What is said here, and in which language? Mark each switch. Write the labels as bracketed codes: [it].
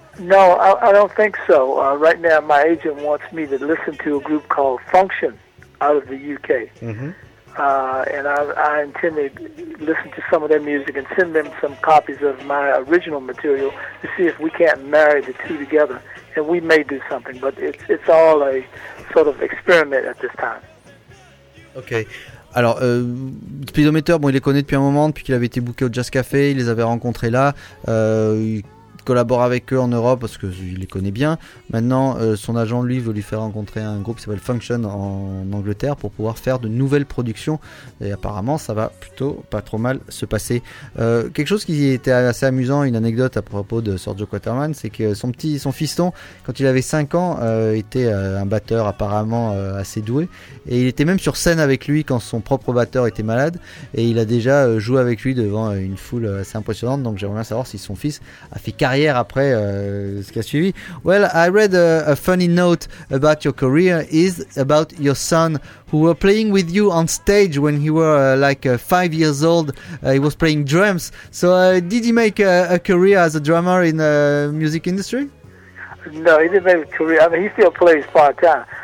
[en] No, I don't think so. Right now, my agent wants me to listen to a group called Function out of the UK. And I intend to listen to some of their music and send them some copies of my original material to see if we can't marry the two together. And we may do something, but it's all a sort of experiment at this time. Okay. [fr] Alors, Speedometer, bon, il les connaît depuis un moment, depuis qu'il avait été booké au Jazz Café, il les avait rencontrés là. Il collabore avec eux en Europe parce qu'il les connaît bien. Maintenant, son agent, lui, veut lui faire rencontrer un groupe qui s'appelle Function en Angleterre pour pouvoir faire de nouvelles productions. Et apparemment, ça va plutôt pas trop mal se passer. Quelque chose qui était assez amusant, une anecdote à propos de Sergio Quatermain, c'est que son fiston, quand il avait 5 ans, était un batteur apparemment assez doué. Et il était même sur scène avec lui quand son propre batteur était malade. Et il a déjà joué avec lui devant une foule assez impressionnante. Donc j'aimerais bien savoir si son fils a fait carrière après ce qui a suivi. [en] Well, I read a funny note about your career is about your son who were playing with you on stage when he were like 5 years old. He was playing drums. So did he make a career as a drummer in the music industry? No, he didn't make a career. I mean, he still plays part time.